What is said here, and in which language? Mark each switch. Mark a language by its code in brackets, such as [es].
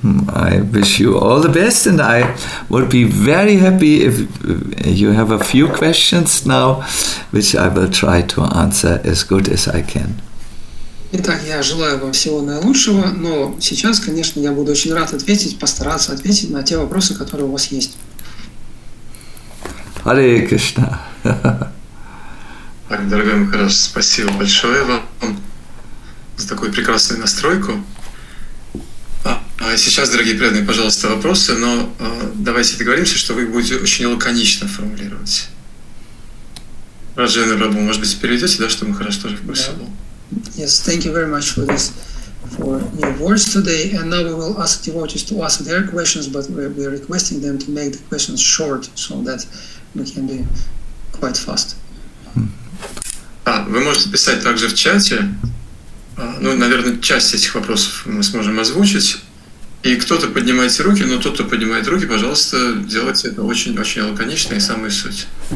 [en] I wish you all the best, and I would be very happy if you have a few questions now, which I will try to answer as good as I can. [ru] Итак, я желаю вам всего наилучшего, но сейчас, конечно, я буду очень рад постараться ответить на те вопросы, которые у вас есть. [sa] Hare Krishna. [ru] Так, дорогой Махарадж, спасибо большое вам за такую прекрасную настройку. Сейчас, дорогие преданные, пожалуйста, вопросы, но давайте договоримся, что вы их будете очень лаконично формулировать. Раджина Рабу, может быть, переведете, да, чтобы Махарадж тоже вкусил? [en] Yes, thank you very much for your words today. And now we will ask devotees to ask their questions, but we are requesting them to make the questions short so that we can be quite fast. [ru] А, вы можете писать также в чате. Ну, наверное, часть этих вопросов мы сможем озвучить. И кто-то поднимает руки, но тот, кто поднимает руки, пожалуйста, делайте это очень-очень лаконично и самую суть.